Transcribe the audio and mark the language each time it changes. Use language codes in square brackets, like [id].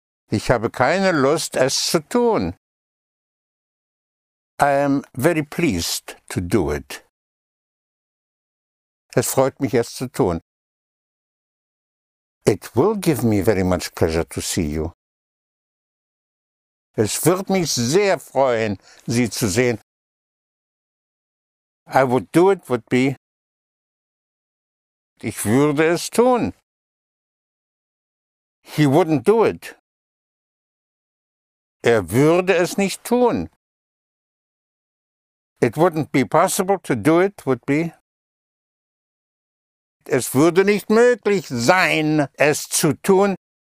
[de] Ich habe keine Lust, es zu tun. [en] I am very pleased to do it. [de] Es freut mich, es zu tun. [en] It will give me very much pleasure to see you. [de] Es wird mich sehr freuen, Sie zu sehen. [en] I would do it would be. [de] Ich würde es tun. [en] He wouldn't do it. [de] Würde es nicht tun. [en] It wouldn't be possible to do it would be. [de] Es würde nicht möglich sein, es zu tun.